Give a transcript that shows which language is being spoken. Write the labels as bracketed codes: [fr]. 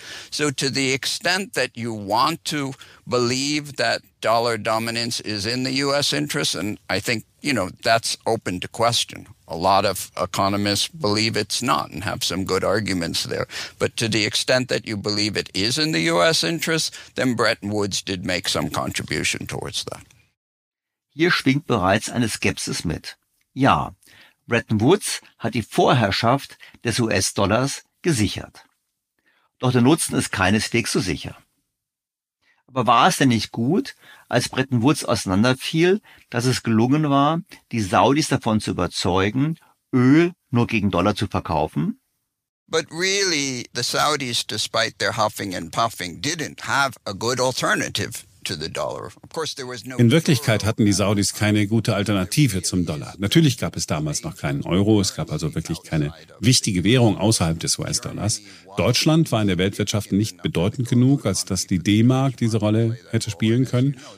[en] So to the extent that you want to believe that dollar dominance is in the US interest, and I think, you know, that's open to question. A lot of economists believe it's not and have some good arguments there. But to the extent that you believe it is in the US interest, then Bretton Woods did make some contribution towards that. [de] Hier schwingt bereits eine Skepsis mit. Ja, Bretton Woods hat die Vorherrschaft des US-Dollars gesichert. Doch der Nutzen ist keineswegs so sicher. Aber war es denn nicht gut, als Bretton Woods auseinanderfiel, dass es gelungen war, die Saudis davon zu überzeugen, Öl nur gegen Dollar zu verkaufen? [en] But really, the Saudis, despite their huffing and puffing, didn't have a good alternative. to the dollar. Of course, there was no. [de] In Wirklichkeit hatten die Saudis keine gute Alternative zum Dollar. Natürlich gab es damals noch keinen Euro, es gab also wirklich keine wichtige Währung außerhalb des US-Dollars. Deutschland war in der Weltwirtschaft nicht bedeutend genug, als dass die D-Mark diese Rolle hätte spielen können.